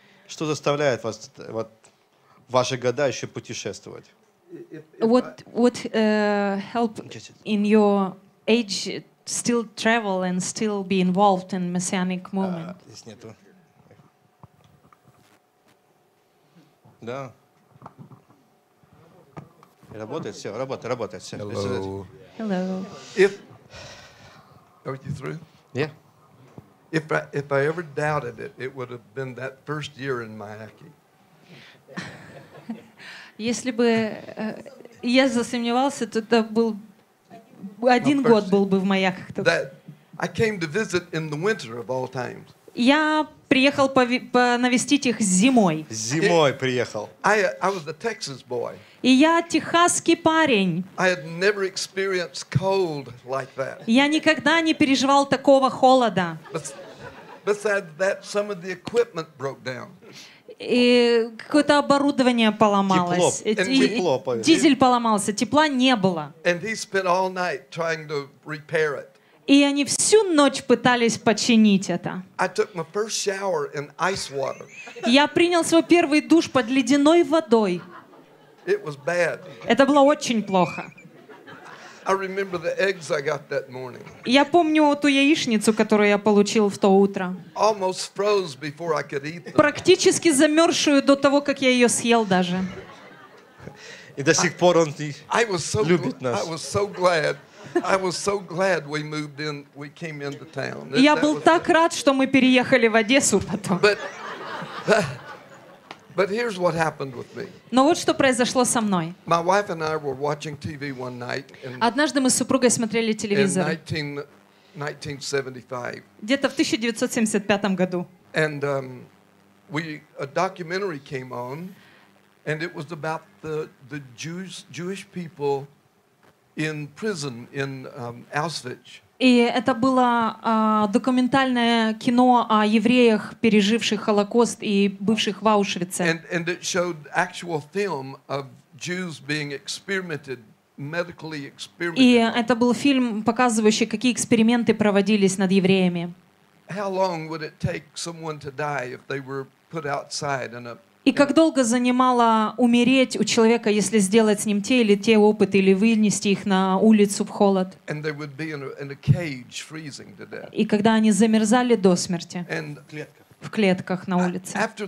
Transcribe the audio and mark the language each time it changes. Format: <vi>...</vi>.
<ru>Что заставляет вас вот ваши года еще путешествовать?</ru> <en>What help in your age still travel and still be involved in messianic movement?</en> <ru>Здесь нету. Да. Работает все, работает все.</ru> <en>Hello. Hello. If are you through? Yeah. If I ever doubted it, it would have been that first year in Miami.</en> <ru>Если бы я засомневался, то это был один год был бы в Майаке.</ru> <en>That I came to visit in the winter of all times.</en> <ru>Я приехал навестить их зимой. Зимой приехал.</ru> <en>I was a Texas boy.</en> <ru>И я техасский парень.</ru> <en>I had never experienced cold like that.</en> <ru>Я никогда не переживал такого холода.</ru> <en>Besides that, some of the equipment broke down.</en> <ru>И какое-то оборудование поломалось. Тепло. Дизель поломался, тепла не было.</ru> <en>And he spent all night trying to repair it.</en> <ru>И они всю ночь пытались починить это.</ru> <en>I took my first shower in ice water.</en> <ru>Я принял свой первый душ под ледяной водой.</ru> <en>It was bad.</en> <ru>Это было очень плохо.</ru> <en>I remember the eggs I got that morning.</en> <ru>Я помню ту яичницу, которую я получил в то утро.</ru> <en>Almost froze before I could eat them.</en> <ru>Практически замерзшую до того, как я ее съел даже. И до сих пор он любит нас.</ru> <en>I was so glad we moved in, we came into town.</en> <ru>Я был так рад, что мы переехали в Одессу потом.</ru> <en>But here's what happened with me.</en> <ru>Но вот что произошло со мной.</ru> <en>My wife and I were watching TV one night.</en> <ru>Однажды мы с супругой смотрели телевизор.</ru> <en>In 1975.</en> <ru>Где-то в 1975 году.</ru> <en>And a documentary came on, and it was about the Jewish people in prison in Auschwitz.</en> <ru>И это было документальное кино о евреях, переживших Холокост и бывших в Аушвице.</ru> <en>And it showed actual film of Jews being experimented, medically experimented.</en> <ru>И это был фильм, показывающий, какие эксперименты проводились над евреями.</ru> <en>How long would it take someone to die if they were put outside in a...</en> <ru>И как долго занимало умереть у человека, если сделать с ним те или те опыты, или вынести их на улицу в холод? И когда они замерзали до смерти в клетках на улице.</ru>